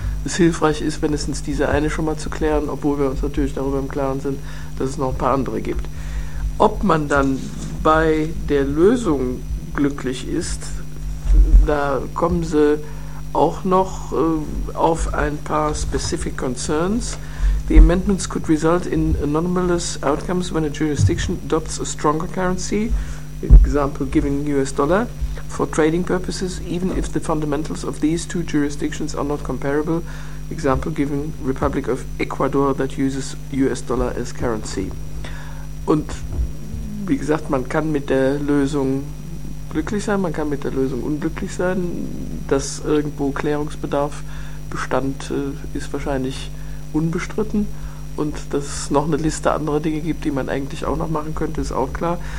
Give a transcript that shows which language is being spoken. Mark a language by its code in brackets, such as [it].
[de] es hilfreich ist, wenigstens diese eine schon mal zu klären, obwohl wir uns natürlich darüber im Klaren sind, dass es noch ein paar andere gibt. Ob man dann bei der Lösung glücklich ist, da kommen sie auch noch auf ein paar [en] specific concerns. The amendments could result in anomalous outcomes when a jurisdiction adopts a stronger currency, example giving US dollar, for trading purposes, even if the fundamentals of these two jurisdictions are not comparable, example given Republic of Ecuador that uses US dollar as currency. [de] Und wie gesagt, man kann mit der Lösung glücklich sein, man kann mit der Lösung unglücklich sein. Dass irgendwo Klärungsbedarf bestand, ist wahrscheinlich unbestritten. Und dass es noch eine Liste anderer Dinge gibt, die man eigentlich auch noch machen könnte, ist auch klar.